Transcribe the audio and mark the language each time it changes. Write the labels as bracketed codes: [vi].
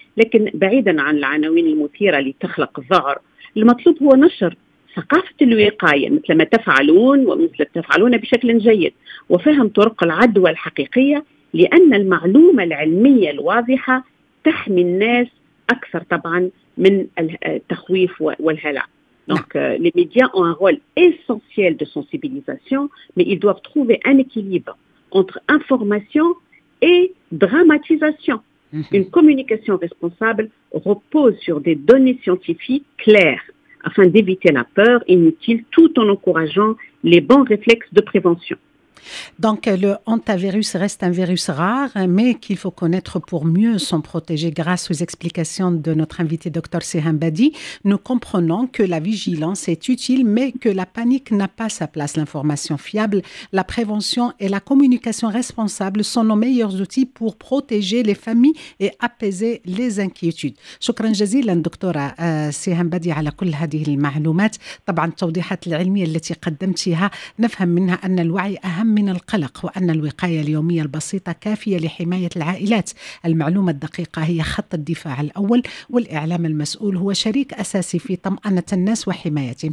[ar] لكن بعيدا عن العناوين المثيرة لتخلق الذعر، المطلوب هو نشر ثقافة الوقاية مثل ما تفعلون ومثل تفعلون بشكل جيد، وفهم طرق العدوى الحقيقية، لأن المعلومة العلمية الواضحة تحمي الناس أكثر طبعا من التخويف والهلع. [fr] Donc les médias ont un rôle essentiel de sensibilisation, mais ils doivent trouver un équilibre entre information et dramatisation. Une communication responsable repose sur des données scientifiques claires afin d'éviter la peur inutile tout en encourageant les bons réflexes de prévention. Donc le hantavirus reste un virus rare, mais qu'il faut connaître pour mieux s'en protéger grâce aux explications de notre invité Dr Sehan Badi. Nous comprenons que la vigilance est utile, mais que la panique n'a pas sa place. L'information fiable, la prévention et la communication responsable sont nos meilleurs outils pour protéger les familles et apaiser les inquiétudes. [ar] شكرا جزيلا دكتورة سهام بادي على كل هذه المعلومات. طبعا التوضيحات العلمية التي قدمتها نفهم منها أن الوعي أهم من القلق، وأن الوقاية اليومية البسيطة كافية لحماية العائلات. المعلومة الدقيقة هي خط الدفاع الأول، والإعلام المسؤول هو شريك أساسي في طمأنة الناس وحمايتهم.